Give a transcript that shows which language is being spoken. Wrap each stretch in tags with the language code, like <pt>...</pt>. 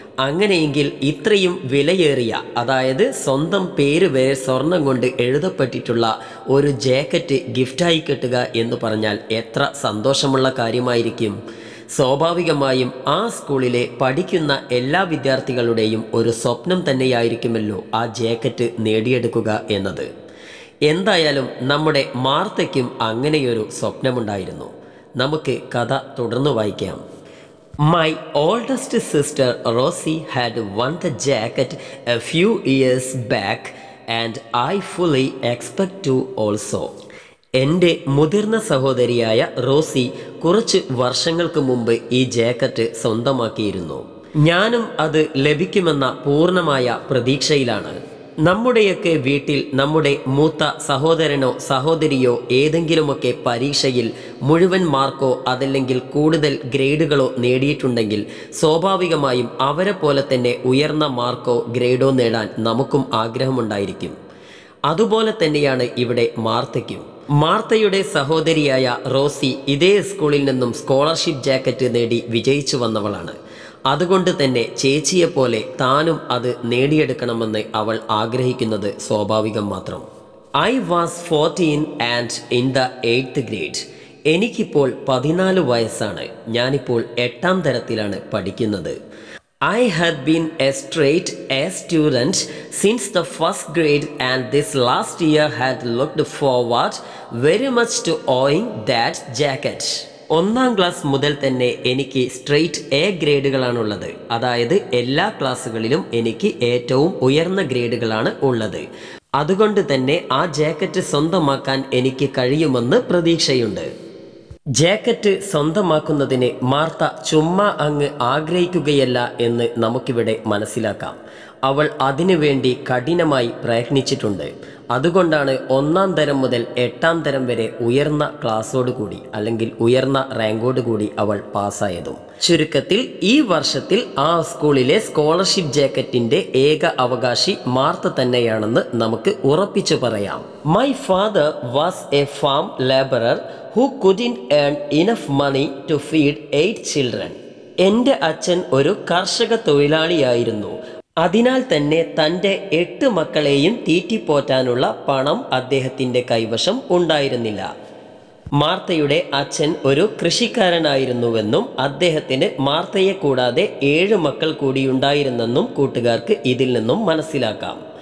<ml>അങ്ങനെയെങ്കിൽ ഇത്രയും വിലയേറിയ, അതായത് സ്വന്തം പേര് വരെ സ്വർണം കൊണ്ട് എഴുതപ്പെട്ടിട്ടുള്ള ഒരു ജാക്കറ്റ് ഗിഫ്റ്റായി കിട്ടുക എന്ന് പറഞ്ഞാൽ എത്ര സന്തോഷമുള്ള കാര്യമായിരിക്കും. സ്വാഭാവികമായും ആ സ്കൂളിലെ പഠിക്കുന്ന എല്ലാ വിദ്യാർത്ഥികളുടെയും ഒരു സ്വപ്നം തന്നെയായിരിക്കുമല്ലോ ആ ജാക്കറ്റ് നേടിയെടുക്കുക എന്നത്. എന്തായാലും നമ്മുടെ മാർത്തയ്ക്കും അങ്ങനെയൊരു സ്വപ്നമുണ്ടായിരുന്നു. നമുക്ക് കഥ തുടർന്ന് വായിക്കാം.</ml> <en>My oldest sister Rosie had won the jacket a few years back and I fully expect to also.</en> <ml>എൻ്റെ മുതിർന്ന സഹോദരിയായ റോസി കുറച്ച് വർഷങ്ങൾക്ക് മുമ്പ് ഈ ജാക്കറ്റ് സ്വന്തമാക്കിയിരുന്നു. ഞാനും അത് ലഭിക്കുമെന്ന പൂർണ്ണമായ പ്രതീക്ഷയിലാണ്. നമ്മുടെയൊക്കെ വീട്ടിൽ നമ്മുടെ മൂത്ത സഹോദരനോ സഹോദരിയോ ഏതെങ്കിലുമൊക്കെ പരീക്ഷയിൽ മുഴുവൻ മാർക്കോ അതല്ലെങ്കിൽ കൂടുതൽ ഗ്രേഡുകളോ നേടിയിട്ടുണ്ടെങ്കിൽ സ്വാഭാവികമായും അവരെ പോലെ തന്നെ ഉയർന്ന മാർക്കോ ഗ്രേഡോ നേടാൻ നമുക്കും ആഗ്രഹമുണ്ടായിരിക്കും. അതുപോലെ തന്നെയാണ് ഇവിടെ മാർത്തയ്ക്കും. മാർത്തയുടെ സഹോദരിയായ റോസി ഇതേ സ്കൂളിൽ നിന്നും സ്കോളർഷിപ്പ് ജാക്കറ്റ് നേടി വിജയിച്ചു വന്നവളാണ്. അതുകൊണ്ട് തന്നെ ചേച്ചിയെപ്പോലെ താനും അത് നേടിയെടുക്കണമെന്ന് അവൾ ആഗ്രഹിക്കുന്നത് സ്വാഭാവികം മാത്രം.</ml> <en>I was 14 and in the 8th grade.</en> <ml>എനിക്കിപ്പോൾ 14 വയസ്സാണ്. ഞാനിപ്പോൾ 8th തരത്തിലാണ് പഠിക്കുന്നത്.</ml> <en>I had been a straight A student since the first grade and this last year had looked forward very much to owning that jacket.</en> <ml>ഒന്നാം class മുതൽ തന്നെ എനിക്ക് straight A ഗ്രേഡുകളാണുള്ളത്. അതായത് എല്ലാ ക്ലാസ്സുകളിലും എനിക്ക് ഏറ്റവും ഉയർന്ന ഗ്രേഡുകളാണ് ഉള്ളത്. അതുകൊണ്ട് തന്നെ ആ ജാക്കറ്റ് സ്വന്തമാക്കാൻ എനിക്ക് കഴിയുമെന്ന് പ്രതീക്ഷയുണ്ട്. ജാക്കറ്റ് സ്വന്തമാക്കുന്നതിന് മാർത്ത ചുമ്മാ അങ്ങ് ആഗ്രഹിക്കുകയല്ല എന്ന് നമുക്കിവിടെ മനസ്സിലാക്കാം. അവൾ അതിനുവേണ്ടി കഠിനമായി പ്രയത്നിച്ചിട്ടുണ്ട്. അതുകൊണ്ടാണ് 1st തരം മുതൽ 8th തരം വരെ ഉയർന്ന ക്ലാസ്സോടുകൂടി അല്ലെങ്കിൽ ഉയർന്ന റാങ്കോടുകൂടി അവൾ പാസ്സായതും. ചുരുക്കത്തിൽ ഈ വർഷത്തിൽ ആ സ്കൂളിലെ സ്കോളർഷിപ്പ് ജാക്കറ്റിൻ്റെ ഏക അവകാശി മാർത്ത തന്നെയാണെന്ന് നമുക്ക് ഉറപ്പിച്ചു പറയാം.</ml> <en>My father was a farm laborer who couldn't earn enough money to feed 8 children.</en> <ml>എൻ്റെ അച്ഛൻ ഒരു കർഷക തൊഴിലാളിയായിരുന്നു. അതിനാൽ തന്നെ തൻ്റെ 8 മക്കളെയും തീറ്റിപ്പോറ്റാനുള്ള പണം അദ്ദേഹത്തിൻ്റെ കൈവശം ഉണ്ടായിരുന്നില്ല. മാർത്തയുടെ അച്ഛൻ ഒരു കൃഷിക്കാരനായിരുന്നുവെന്നും അദ്ദേഹത്തിന് മാർത്തയെ കൂടാതെ 7 മക്കൾ കൂടിയുണ്ടായിരുന്നെന്നും കൂട്ടുകാർക്ക് ഇതിൽ നിന്നും മനസ്സിലാക്കാം.</ml>